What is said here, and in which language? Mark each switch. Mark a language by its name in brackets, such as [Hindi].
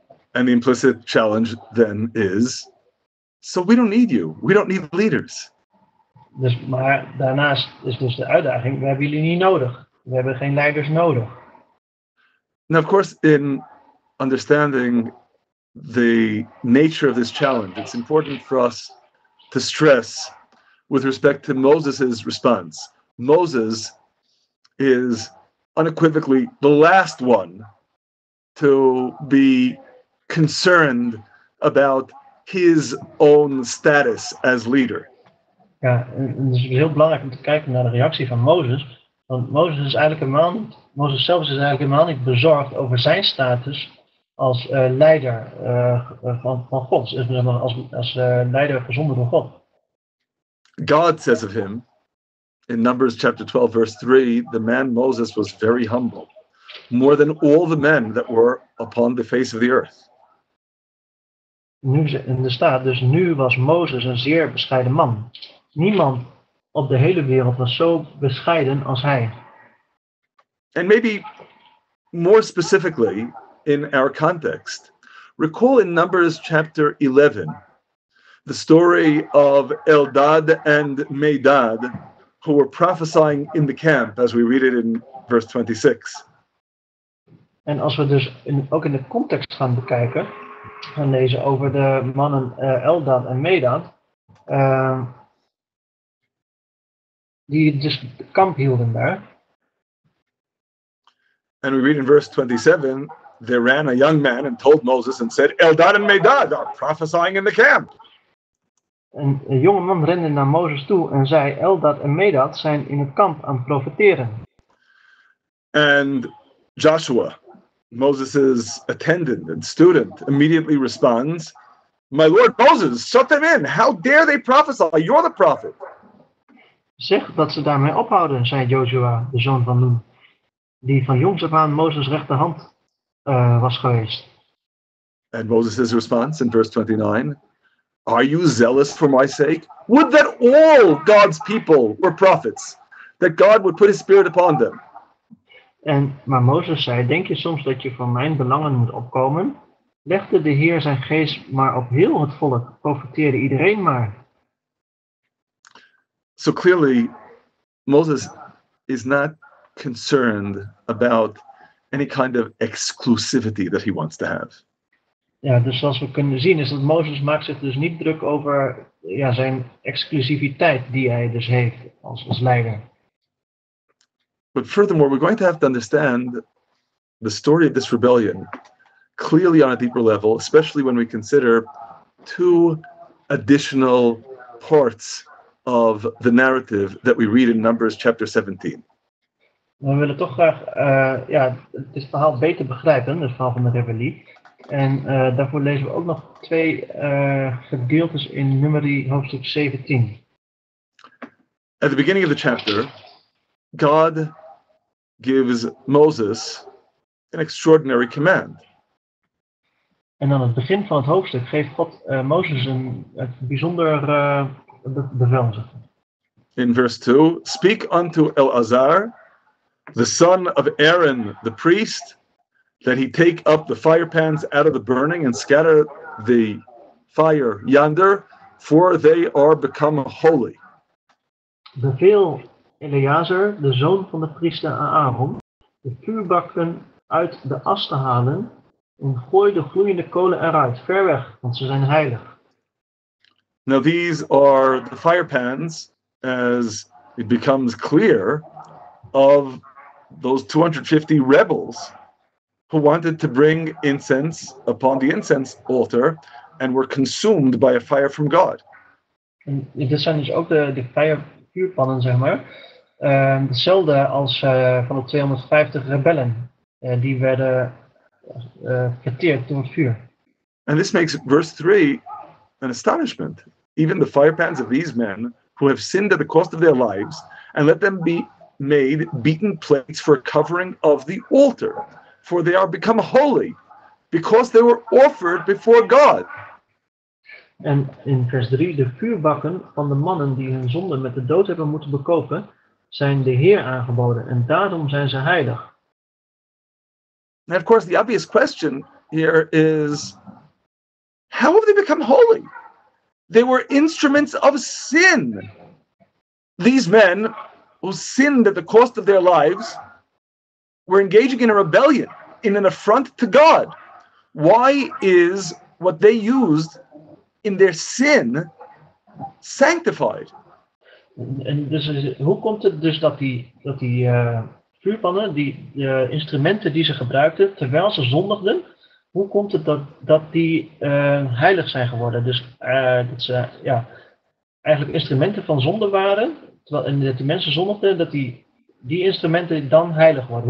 [English] And the implicit challenge then is, so we don't need you. We don't need leaders. [Dutch] Dus, maar daarnaast is dus de uitdaging, we hebben jullie niet nodig. We hebben geen leiders nodig. [English] Now of course, in understanding the nature of this challenge, it's important for us to stress with respect to Moses' response. Moses is unequivocally the last one to be concerned about his own status as leader. [Dutch] Ja, en het is heel belangrijk om te kijken naar de reactie van Mozes. Want Mozes is eigenlijk helemaal niet, Mozes zelf is eigenlijk helemaal niet bezorgd over zijn status als leider van God. Leider gezonden door God. [English] God says of him, in Numbers chapter 12, verse 3, the man Moses was very humble, more than all the men that were upon the face of the earth. [Dutch] Nu in de staat, dus nu was Moses een zeer bescheiden man. Niemand op de hele wereld was zo bescheiden als hij. [English] And maybe more specifically in our context, recall in Numbers chapter 11, the story of Eldad and Medad, who were prophesying in the camp, as we read it in verse 26. [Dutch] En als we dus ook in de context gaan bekijken, gaan lezen over de mannen Eldad en Medad, die dus de kamp hielden daar. [English] And we read in verse 27, there ran a young man and told Moses and said, Eldad and Medad are prophesying in the camp. [Dutch] En een jonge man rende naar Mozes toe en zei, Eldad en Medad zijn in het kamp aan het profeteren. [English] And Joshua, Moses' attendant and student, immediately responds, my lord Moses, shut them in. How dare they prophesy? You're the prophet. [Dutch] Zeg dat ze daarmee ophouden, zei Joshua, de zoon van Nun, die van jongs af aan Mozes rechterhand was geweest. [English] And Moses' response in verse 29, are you zealous for my sake? Would that all God's people were prophets, that God would put his spirit upon them. [Dutch] En, maar Mozes zei, denk je soms dat je voor mijn belangen moet opkomen? Legde de Heer zijn geest maar op heel het volk, profiteerde iedereen maar. [English] So clearly, Moses is not concerned about any kind of exclusivity that he wants to have. [Dutch] Ja, dus zoals we kunnen zien is dat Mozes maakt zich dus niet druk over ja, zijn exclusiviteit die hij dus heeft als leider. [English] But furthermore, we're going to have to understand the story of this rebellion clearly on a deeper level, especially when we consider two additional parts of the narrative that we read in Numbers chapter 17. [Dutch] We willen toch graag het verhaal beter begrijpen, het verhaal van de rebellie. En daarvoor lezen we ook nog twee gedeeltes in Numeri hoofdstuk 17. [English] At the beginning of the chapter, God gives Moses an extraordinary command. [Dutch] En aan het begin van het hoofdstuk geeft God Moses een bijzonder bevel. [English] In verse 2, speak unto Eleazar, the son of Aaron, the priest, that he take up the firepans out of the burning and scatter the fire yonder, for they are become holy. [Dutch] Beveel Eleazar, de zoon van de priester Aaron, de vuurbakken uit de as te halen en gooi de gloeiende kolen eruit, ver weg, want ze zijn heilig. [English] Now these are the firepans, as it becomes clear, of those 250 rebels who wanted to bring incense upon the incense altar and were consumed by a fire from God. [Dutch] Dit zijn dus ook de vuurpannen, zeg maar. Hetzelfde als van de 250 rebellen. Die werden verteerd door het vuur. [English] And this makes verse 3 an astonishment. Even the firepans of these men who have sinned at the cost of their lives and let them be made beaten plates for covering of the altar, for they are become holy because they were offered before God. [Dutch] En in vers 3, de vuurbakken van de mannen die hun zonde met de dood hebben moeten bekopen, zijn de Heer aangeboden en daarom zijn ze heilig. [English] And of course the obvious question here is, how have they become holy? They were instruments of sin. These men who sinned at the cost of their lives were engaging in a rebellion, in an affront to God. Why is what they used in their sin sanctified? [Dutch] En dus, hoe komt het dus dat die vuurpannen, die instrumenten die ze gebruikten terwijl ze zondigden, hoe komt het dat die heilig zijn geworden? Dus dat ze eigenlijk instrumenten van zonde waren, terwijl en dat de mensen zondigden, dat die instrumenten dan heilig worden.